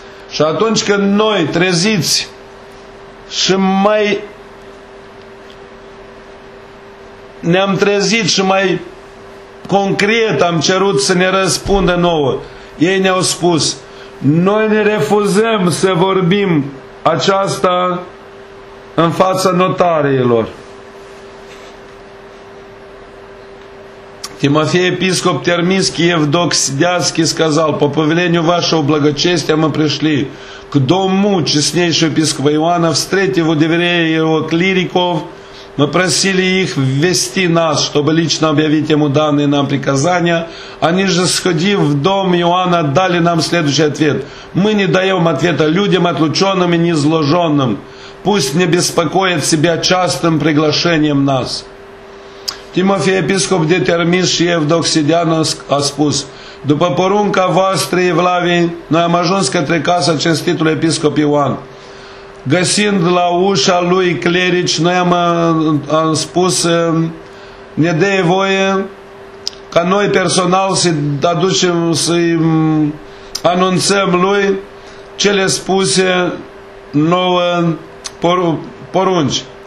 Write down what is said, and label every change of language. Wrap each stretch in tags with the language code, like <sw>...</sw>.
<ro>Și atunci când noi, treziți și mai ne-am trezit și mai concret am cerut să ne răspundă nouă, ei ne-au spus, noi ne refuzăm să vorbim aceasta în fața notariilor. Timofei, episcop Termiski,</ro> <ru>Евдоксидянский, сказал, по повелению вашего благочестия мы пришли к дому честнейшего епископа Иоанна, встретив у дверей его клириков, мы просили их ввести нас, чтобы лично объявить ему данные нам приказания. Они же, сходив в дом Иоанна, дали нам следующий ответ. Мы не даем ответа людям, отлученным и низложенным. Пусть не беспокоят себя частым приглашением нас.</ru> <ro>Timofei, episcop de Termis și Евдоксидян, a spus, după porunca voastră, Evlavie, noi am ajuns către casa cinstitului episcop Ioan. Găsind la ușa lui clerici, noi am spus, ne dă voie ca noi personal să-i anunțăm lui cele spuse nouă porunci.</ro>